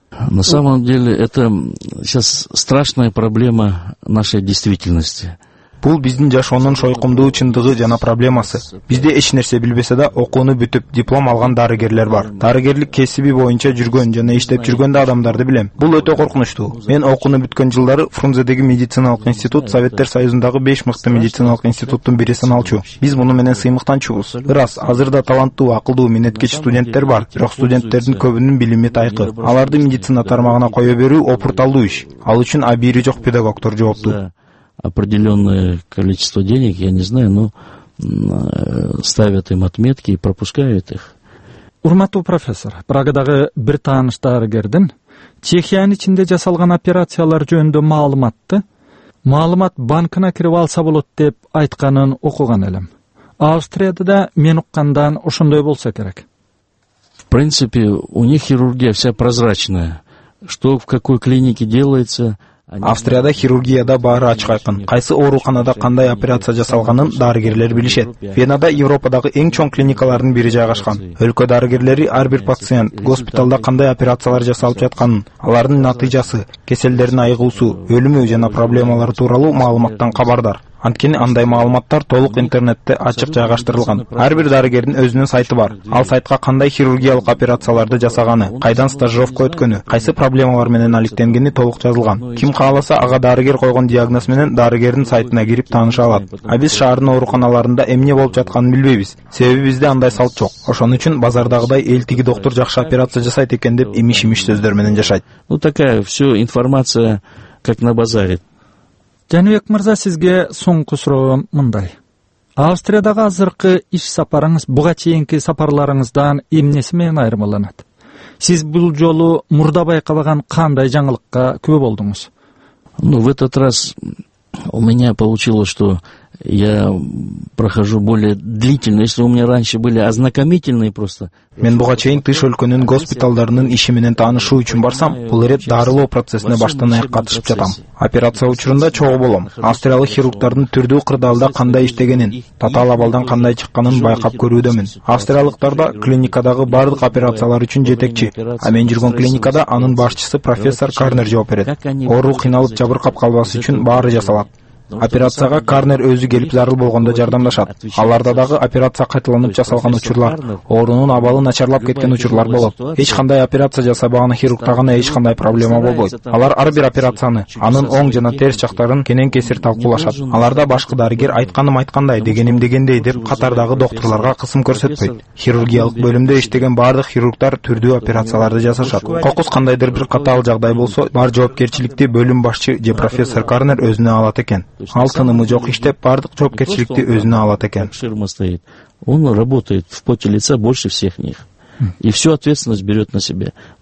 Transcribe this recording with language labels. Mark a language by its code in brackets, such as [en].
[ru] На самом деле это сейчас страшная проблема нашей действительности. [ky] Бул биздин жашоонун шойкумдуу чындыгы жана проблемасы. Бизде эч нерсе билбесе да окууну бүтүп диплом алган дарыгерлер бар. Дарыгерлик кесиби боюнча жүргөн жана иштеп жүргөн да адамдарды билем. Бул өтө коркунучтуу. Мен окууну бүткөн жылдары Фрунзедеги медициналык институт Советтер Союзундагы 5 мыкты медициналык институттун бири саналчу. Биз муну менен сыймыктанчубуз. Бирок азырда таланттуу, акылдуу, минеткеч студенттер бар. Бирок студенттердин көбүнүн билими тайкы. Аларды медицина тармагына кое берүү опурталдуу иш. Ал үчүн абийири жок педагогтор жооптуу. [ru] Определенное количество денег, я не знаю, но ставят им отметки и пропускают их. [ky] Урматтуу профессор, Прагадагы бир тааныш дарыгердин Чехиянын ичинде жасалган операциялар жөнүндө маалыматты, маалымат банкына кирип алса болот деп айтканын окуган элем. Австрияда да мен уккандан ошондой болсо керек. [ru] В принципе, у них хирургия вся прозрачная. Что в какой клинике делается, [ky] Австрияда хирургияда баары ачык айкын. Кайсы ооруканада кандай операция жасалганын дарыгерлер билишет. Венада Европадагы эң чоң клиникалардын бири жайгашкан. Өлкө дарыгерлери ар бир пациент госпиталда кандай операциялар жасалып жатканын, алардын натыйжасы, кеселдердин айыгуусу, өлүмү жана проблемалары тууралуу маалыматтан кабардар. Анткени андай маалыматтар толук интернетте ачык жайгаштырылган. Ар бир дарыгердин өзүнүн сайты бар. Ал сайтка кандай хирургиялык операцияларды жасаганы, кайдан стажировка өткөнү, кайсы проблемалар менен алектенгени толук жазылган. Ким кааласа ага дарыгер койгон диагноз менен дарыгердин сайтына кирип тааныша алат. А биз шаардын ооруканаларында эмне болуп жатканын билбейбиз. Себеби бизде андай салт жок. Ошон үчүн базардагыдай элтиги доктор жакшы операция жасайт экен деп имиш-имиш сөздөр менен жашайт. [ru] Ну такая всё информация как на базаре. [ky] Жанибек мырза, сизге соңку суроом мындай. Австриядагы азыркы иш сапарыңыз буга чейинки сапарларыңыздан эмнеси менен айырмаланат? Сиз бул жолу мурда байкалган кандай жаңылыкка күбө болдуңуз? [ru] Ну, в этот раз у меня получилось, что я прохожу более длительно, если у меня раньше были ознакомительные просто. [ky] Мен буга чейин тыш өлкөнүн госпиталдарынын иши менен таанышуу үчүн барсам, бул ирет дарылоо процессине баштан аяк катышып жатам. Операция учурунда чогуу болом. Австриялык хирургдардын түрдүү кырдаалда кандай иштегенин, татаал абалдан кандай чыкканын байкап көрүүдөмүн. Австриялыктарда клиникадагы бардык операциялар үчүн жетекчи, а мен жүргөн клиникада анын башчысы профессор Карнер жооп берет. Оору кыйналып жабыркап калбасы үчүн баары жасалат. Операцияга Карнер өзү келип зарыл болгондо жардамдашат. Аларда дагы операция кайталанып жасалган учурлар, оорунун абалы начарлап кеткен учурлар болот. Эч кандай операция жасабаган хирургка гана эч кандай проблема болбойт. Алар ар бир операцияны, анын оң жана терс жактарын кенен кесир талкуулашат. Аларда башкы дарыгер айтканым айткандай, дегеним дегендей деп катардагы доктурларга кысым көрсөтпөйт. Хирургиялык бөлүмдө иштеген бардык хирургдар түрдүү операцияларды жасашат. Кокус кандайдыр бир катаал жагдай болсо, бар жоопкерчиликти бөлүм башчы же профессор Карнер өзүнө алат экен. Ал тынымы жок иштеп, бардык жоопкерчиликти өзүнө алат экен. [ru] Он работает в поте лица больше всех них. И всю ответственность берет на себе.